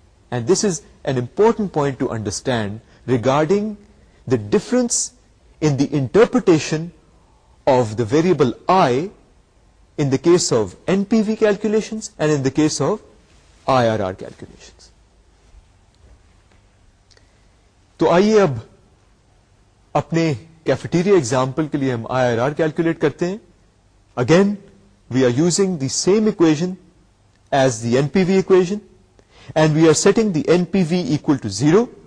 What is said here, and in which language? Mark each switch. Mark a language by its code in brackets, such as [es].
[en] And this is an important point to understand regarding the difference in the interpretation of the variable I in the case of NPV calculations and in the case of IRR calculations. [ur] تو آئیے اب اپنے cafeteria example کے لیے ہم I R are calculate کرتے ہیں. [en] Again we are using the same equation as the N P V equation and we are setting the N P V equal to zero.